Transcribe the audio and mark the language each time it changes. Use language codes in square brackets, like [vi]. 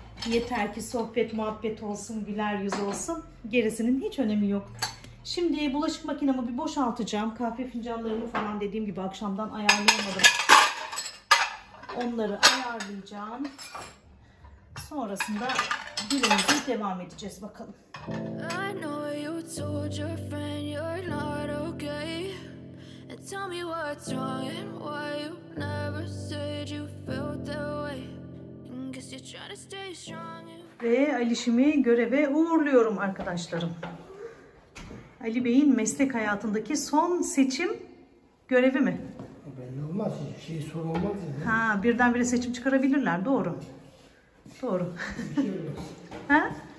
[tr] Yeter ki sohbet muhabbet olsun, güler yüz olsun. Gerisinin hiç önemi yok. Şimdi bulaşık makinemi bir boşaltacağım. Kahve fincanlarımı falan dediğim gibi akşamdan ayarlayamadım. Onları ayarlayacağım. Sonrasında günümüzü devam edeceğiz bakalım. [en] I know you told your friend you're not okay. And tell me what's wrong and why you never said you felt that way. Guess you're trying to stay strong. [tr] Ve Alişimi göreve uğurluyorum arkadaşlarım. Ali Bey'in meslek hayatındaki son seçim görevi mi? Belli olmaz. Hiçbir şey sorulmaz. Ha, birdenbire seçim çıkarabilirler. Doğru. Doğru. Ha?